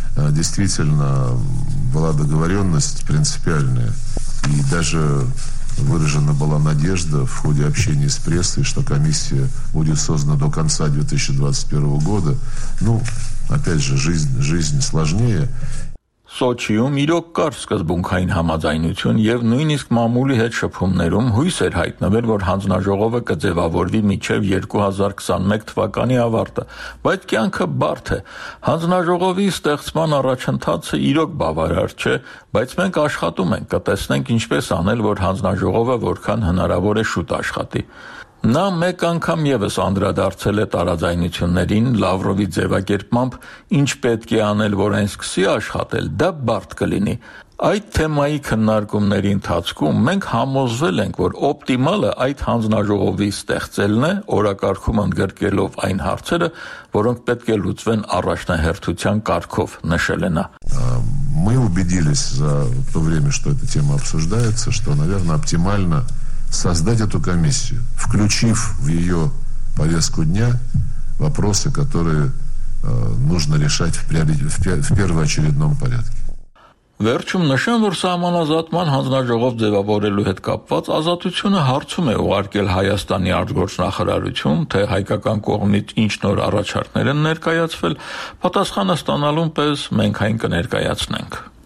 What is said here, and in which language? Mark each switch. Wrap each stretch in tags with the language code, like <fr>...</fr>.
<ru>Действительно, была договоренность принципиальная, и даже выражена была надежда в ходе общения с прессой, что комиссия будет создана до конца 2021 года. Ну, опять же, жизнь сложнее.</ru> <hy>Սոչիում իրոք կար սկզբունքային համաձայնություն և նույնիսկ մամուլի հետ շփումներում հույս էր հայտնվել, որ հանձնաժողովը կձևավորվի մինչև 2021 թվականի ավարտը, բայց կյանքը բարդ է։ Հանձնաժողովի ստեղծման առաջընթացը իրոք բավարար չէ, բայց մենք աշխատում ենք, կտեսնենք ինչպես անել, որ հանձնաժողովը որքան հնարավոր է շուտ աշխատի։ Նա մեկ անգամ եւս անդրադարձել է տարաձայնություններին Լավրովի ձևակերպմամբ, ինչ պետք է անել, որ այն սկսի աշխատել, դա բարդ կլինի։ Այդ թեմայի քննարկումների ընթացքում մենք համոզվել ենք, որ օպտիմալը այդ հանձնաժողովի ստեղծելն է, օրակարգում ընդգրկելով այն հարցերը, որոնք պետք է լուծվեն առաջնահերթության կարգով, նշել է նա։</hy> <ru>Мы убедились за то время, что эта тема обсуждается, что, наверное, оптимально создать эту комиссию, включив в ее повестку дня вопросы, которые нужно решать в первоочередном порядке.</ru> <hy>Верчум нашем որ սահմանազատման հանձնաժողով ձևավորելու հետ կապված ազատությունը հարցում է ուղարկել Հայաստանի արտգործնախարարություն, թե հայկական կողմից ինչ նոր առաջարկներ են ներկայացվել, պատասխանը ստանալուն պես մենք այն կներկայացնենք։</hy>